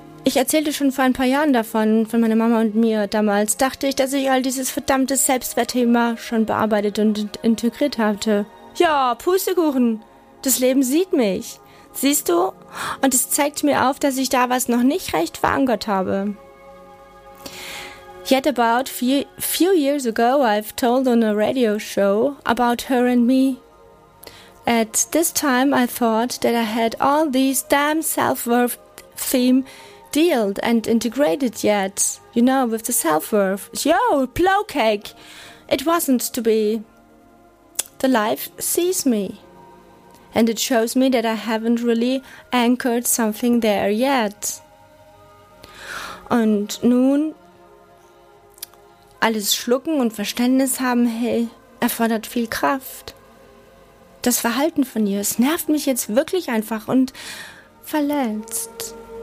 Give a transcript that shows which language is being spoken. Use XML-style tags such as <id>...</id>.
<de>Ich erzählte schon vor ein paar Jahren davon, von meiner Mama und mir. Damals dachte ich, dass ich all dieses verdammte Selbstwertthema schon bearbeitet und integriert hatte. Ja, Pustekuchen. Das Leben sieht mich. Siehst du? Und es zeigt mir auf, dass ich da was noch nicht recht verankert habe.</de> <en>Yet about few years ago, I've told on a radio show about her and me. At this time, I thought that I had all these damn self-worth theme dealt and integrated yet, you know, with the self-worth. Yo, blow cake! It wasn't to be. The life sees me. And it shows me that I haven't really anchored something there yet.</en> <de>Und nun, alles schlucken und Verständnis haben, hey, erfordert viel Kraft. Das Verhalten von ihr, es nervt mich jetzt wirklich einfach und verletzt.</de>